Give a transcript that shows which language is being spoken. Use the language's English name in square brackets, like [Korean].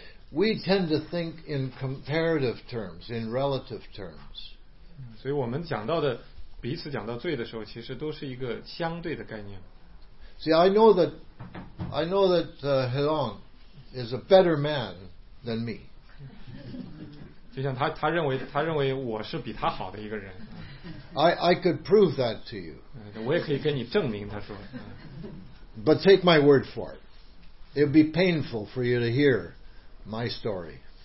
[English] We tend to think in comparative terms, in relative terms. [Chinese] 所以我们讲到的彼此讲到罪的时候，其实都是一个相对的概念。 [English] See, I know that Helong. Is a better man than me. [Chinese] 就像他认为我是比他好的一个人。 [English] I could prove that to you. [Chinese] 我也可以跟你证明，他说。 [English] But take my word for it. It'd be painful for you to hear my story.